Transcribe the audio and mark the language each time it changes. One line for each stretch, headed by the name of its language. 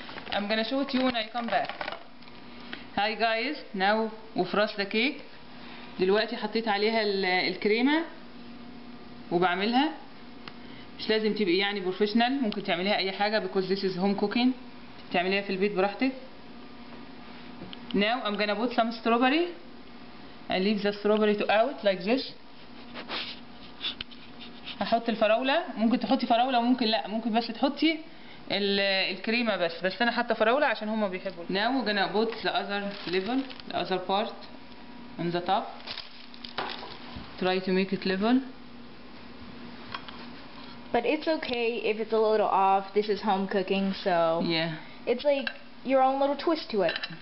English: I'm gonna show it to you when I come back. Hi guys, now we frost the cake.
Arabic: دلوقتي حطيت عليها الكريمه وبعملها. مش لازم تبقي يعني بروفيشنال، ممكن تعمليها اي حاجه
English: because this is home cooking.
Arabic: تعمليها في البيت براحتك.
English: Now I'm gonna put some strawberry. I leave the strawberry to out like this.
Arabic: هحط الفراولة، ممكن تحطي فراولة وممكن لا، ممكن بس تحطي الكريمة بس انا حاطة فراولة عشان هما بيحبوا.
English: Now we're gonna put the other level, the other part on the top. Try to make it level. But it's okay if it's a little off. This is home cooking, so yeah. It's like your own little twist to it.